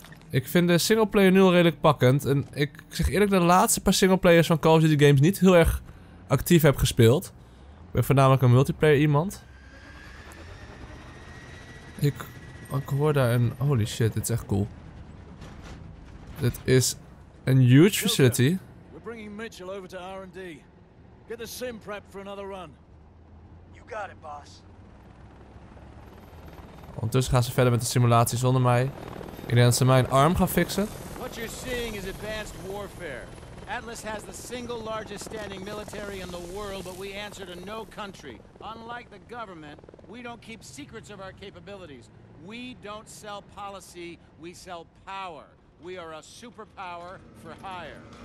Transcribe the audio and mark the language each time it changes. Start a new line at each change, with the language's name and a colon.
Dutch: Ik vind de singleplayer nu al redelijk pakkend. En ik zeg eerlijk, de laatste paar singleplayers van Call of Duty Games niet heel erg actief heb gespeeld. Ik ben voornamelijk een multiplayer iemand. Ik hoor daar een...
English: Holy shit,
Dutch: dit is echt cool. Dit is een huge facility. We brengen Mitchell over naar R&D.
English: Get the sim prep for another run. You got it, boss.
Dutch: Ondertussen gaan ze verder met de simulatie zonder mij. Ik denk dat ze mijn arm gaan fixen.
English: What you're seeing is advanced warfare. Atlas has the single largest standing military in the world, but we answer to no country. Unlike the government, we don't keep secrets of our capabilities. We don't sell policy, we sell power. We are a superpower for hire.